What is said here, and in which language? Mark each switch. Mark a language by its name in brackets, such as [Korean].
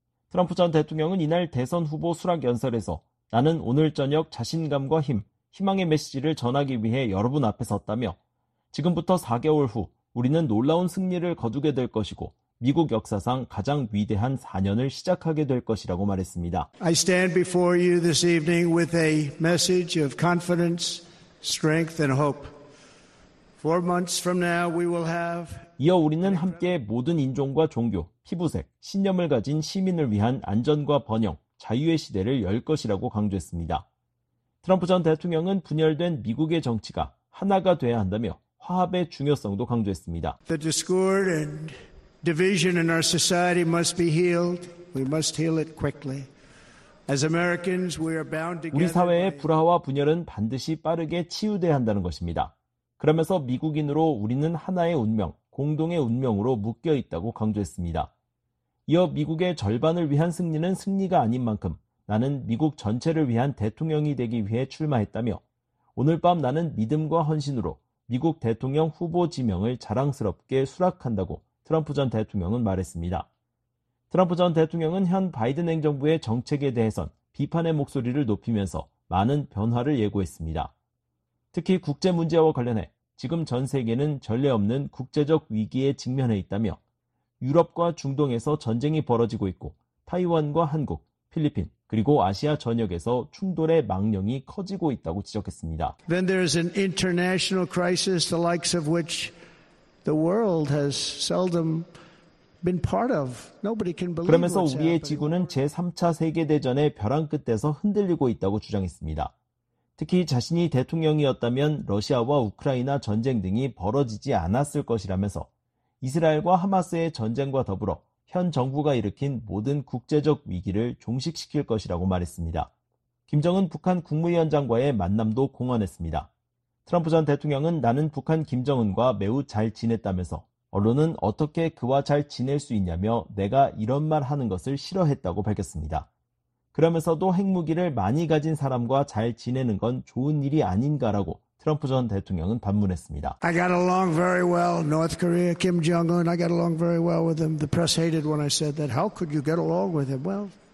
[Korean] 트럼프 전 대통령은 이날 대선 후보 수락 연설에서 나는 오늘 저녁 자신감과 힘, 희망의 메시지를 전하기 위해 여러분 앞에 섰다며 지금부터 4개월 후 우리는 놀라운 승리를 거두게 될 것이고 미국 역사상 가장 위대한 4년을 시작하게 될 것이라고 말했습니다. [English] I stand before you this evening with a message of confidence, strength and hope. 4 months from now we will have [Korean] 이어 우리는 함께 모든 인종과 종교, 피부색, 신념을 가진 시민을 위한 안전과 번영, 자유의 시대를 열 것이라고 강조했습니다. 트럼프 전 대통령은 분열된 미국의 정치가 하나가 돼야 한다며 화합의 중요성도 강조했습니다. [English] The discord and division in our society must be healed. We must heal it quickly. As Americans, we are bound together. [Korean] 우리 사회의 불화와 분열은 반드시 빠르게 치유돼야 한다는 것입니다. 그러면서 미국인으로 우리는 하나의 운명, 공동의 운명으로 묶여 있다고 강조했습니다. 이어 미국의 절반을 위한 승리는 승리가 아닌 만큼 나는 미국 전체를 위한 대통령이 되기 위해 출마했다며 오늘 밤 나는 믿음과 헌신으로 미국 대통령 후보 지명을 자랑스럽게 수락한다고 트럼프 전 대통령은 말했습니다. 트럼프 전 대통령은 현 바이든 행정부의 정책에 대해선 비판의 목소리를 높이면서 많은 변화를 예고했습니다. 특히 국제 문제와 관련해 지금 전 세계는 전례 없는 국제적 위기에 직면해 있다며 유럽과 중동에서 전쟁이 벌어지고 있고 타이완과 한국, 필리핀, 그리고 아시아 전역에서 충돌의 망령이 커지고 있다고 지적했습니다. [English] Then there's an international crisis the likes of which the world has seldom been part of. Nobody can believe. [Korean] 그러면서 우리의 지구는 제3차 세계 대전의 벼랑 끝에서 흔들리고 있다고 주장했습니다. 특히 자신이 대통령이었다면 러시아와 우크라이나 전쟁 등이 벌어지지 않았을 것이라면서 이스라엘과 하마스의 전쟁과 더불어 현 정부가 일으킨 모든 국제적 위기를 종식시킬 것이라고 말했습니다. 김정은 북한 국무위원장과의 만남도 공언했습니다. 트럼프 전 대통령은 나는 북한 김정은과 매우 잘 지냈다면서 언론은 어떻게 그와 잘 지낼 수 있냐며 내가 이런 말 하는 것을 싫어했다고 밝혔습니다. 그러면서도 핵무기를 많이 가진 사람과 잘 지내는 건 좋은 일이 아닌가라고 트럼프 전 대통령은 반문했습니다. [English] I got along very well North Korea Kim Jong Un. I got along very well with him. The press hated when I said that. How could you get along with him? Well,